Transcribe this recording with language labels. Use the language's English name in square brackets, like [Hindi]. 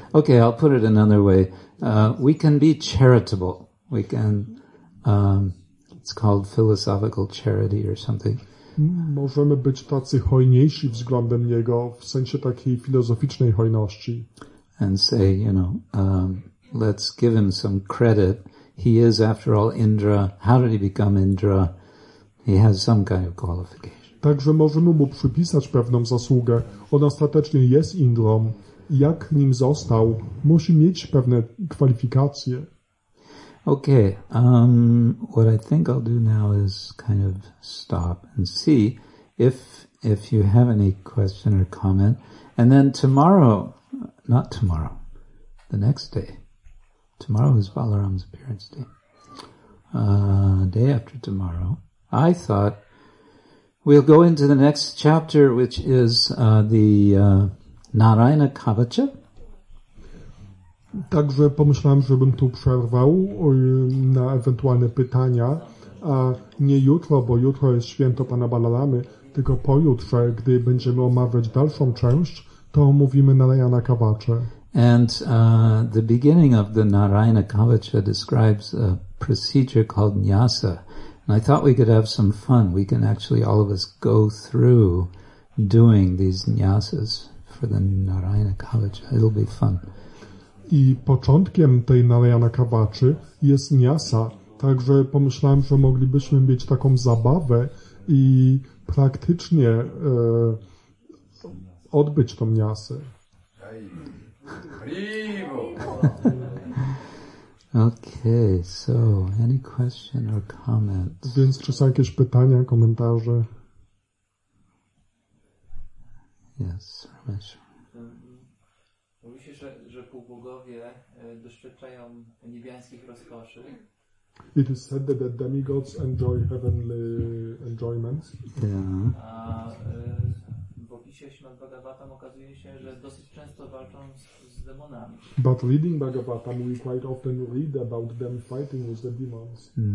[English] Okay, I'll put it another way. We can be charitable. We can, it's called philosophical charity or something. [Polish] Możemy być tacy hojniejsi względem niego, w sensie takiej filozoficznej hojności. [English] And say, you know, let's give him some credit. He is, after all, Indra. How did he become Indra? He has some kind of qualification. [Polish] Także możemy mu przypisać pewną zasługę. On ostatecznie jest Indrą. Jak nim został, musi mieć pewne kwalifikacje. [English] Okay, what I think I'll do now is kind of stop and see if you have any question or comment. And then tomorrow is Balaram's appearance day. Day after tomorrow. I thought we'll go into the next chapter, which is the Narayana Kavacha. [Polish] Także pomyślałem, żebym tu przerwał na ewentualne pytania, a nie jutro, bo jutro jest święto Pana Balaramy, tylko pojutrze, gdy będziemy omawiać dalszą część, to omówimy Narayana Kavacha. [English] And the beginning of the Narayana Kavacha describes a procedure called Nyasa. And I thought we could have some fun. We can actually all of us go through doing these nyasas for the Narayana Kavacha. It'll be fun. [Polish] I początkiem tej Narayana Kavachy jest nyasa. Także pomyślałem, że moglibyśmy mieć taką zabawę i praktycznie odbyć tą nyasę. [English] Okay, so any question or comment? [Polish] Więc czy są jakieś pytania, komentarze? [English] Yes, Ramesh. [Polish] Mówisz, że półbogowie doświadczają niebiańskich rozkoszy. [English] It is said that the demigods enjoy heavenly enjoyments. Yeah. [Polish] A w opisie Śmad Bhagavatam okazuje się, że dosyć często walczą z demonami. [English] But reading Bhagavatam, we quite often read about them fighting with the demons.